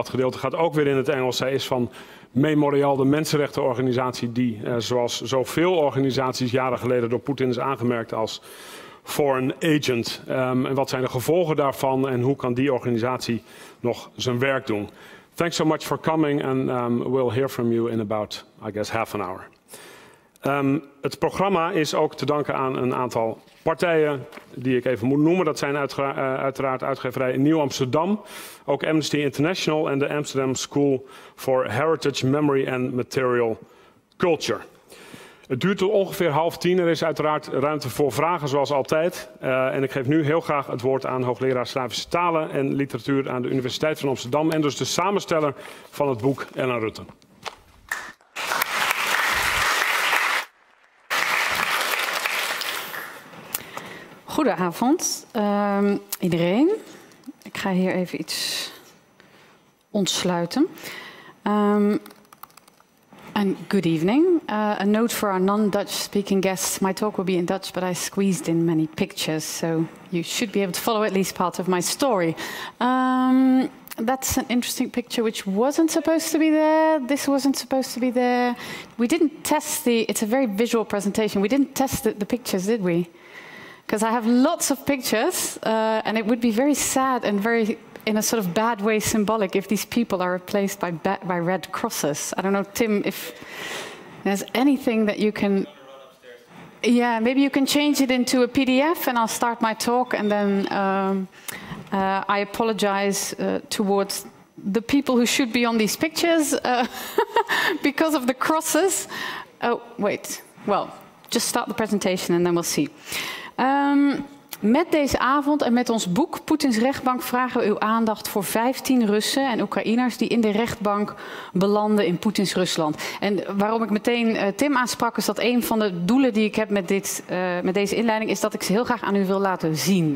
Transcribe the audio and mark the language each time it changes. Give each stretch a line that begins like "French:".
Dutch: Dat gedeelte gaat ook weer in het Engels. Zij is van Memorial, de mensenrechtenorganisatie die, zoals zoveel organisaties jaren geleden door Poetin is aangemerkt als foreign agent. En wat zijn de gevolgen daarvan en hoe kan die organisatie nog zijn werk doen?
English: Thanks so much for coming and we'll hear from you in about, I guess, half an hour.
Dutch: Het programma is ook te danken aan een aantal partijen die ik even moet noemen. Dat zijn uiteraard uitgeverij Nieuw Amsterdam, ook Amnesty International en de Amsterdam School for Heritage, Memory and Material Culture. Het duurt tot ongeveer 9:30. Er is uiteraard ruimte voor vragen zoals altijd. En ik geef nu heel graag het woord aan hoogleraar Slavische Talen en Literatuur aan de Universiteit van Amsterdam en dus de samensteller van het boek Ellen Rutte. Goedenavond iedereen. Ik ga hier even iets ontsluiten.
English: And good evening. A note for our non-Dutch speaking guests. My talk will be in Dutch, but I squeezed in many pictures, so you should be able to follow at least part of my story. That's an interesting picture which wasn't supposed to be there. This wasn't supposed to be there. We didn't test the, it's a very visual presentation. We didn't test the pictures, did we? Because I have lots of pictures, and it would be very sad and very, in a sort of bad way, symbolic if these people are replaced by red crosses. I don't know, Tim, if there's anything that you can... Yeah, maybe you can change it into a PDF, and I'll start my talk, and then I apologize towards the people who should be on these pictures because of the crosses. Oh, wait. Well, just start the presentation, and then we'll see.
Dutch: Met deze avond en met ons boek Poetins rechtbank vragen we uw aandacht voor 15 Russen en Oekraïners die in de rechtbank belanden in Poetins Rusland. En waarom ik meteen Tim aansprak is dat een van de doelen die ik heb met deze inleiding is dat ik ze heel graag aan u wil laten zien.